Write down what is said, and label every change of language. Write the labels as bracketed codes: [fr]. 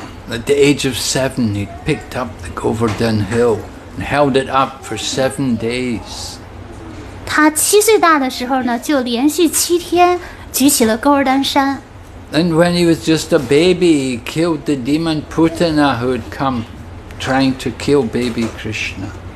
[en] At the age of 7, he picked up the Govardhan hill and held it up for 7 days. [zh] 他七岁大的时候呢，就连续七天举起了高尔丹山。 [en] And when he was just a baby, he killed the demon Putana who had come trying to kill baby Krishna.